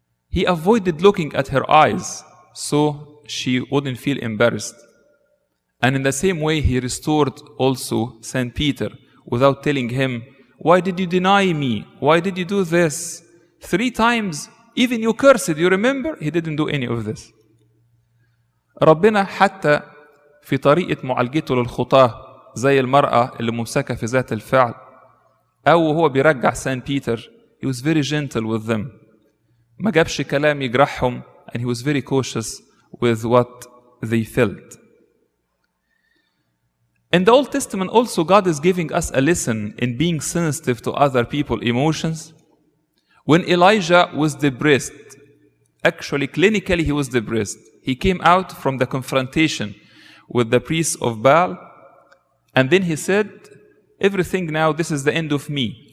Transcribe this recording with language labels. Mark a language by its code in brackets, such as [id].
[en] He avoided looking at her eyes so she wouldn't feel embarrassed. And in the same way, he restored also Saint Peter without telling him, why did you deny me? Why did you do this? Three times, even you cursed, you remember? He didn't do any of this. [ar] ربنا حتى في طريقة معالجته للخطاة زي المرأة اللي ممسكة في ذات الفعل أو هو بيرجع سان بيتر, [en] he was very gentle with them. [ar] ما جابش كلام يجرحهم, [en] and he was very cautious with what they felt. In the Old Testament also, God is giving us a lesson in being sensitive to other people's emotions. When Elijah was depressed, actually clinically he was depressed, he came out from the confrontation with the priests of Baal, and then he said, everything now, this is the end of me.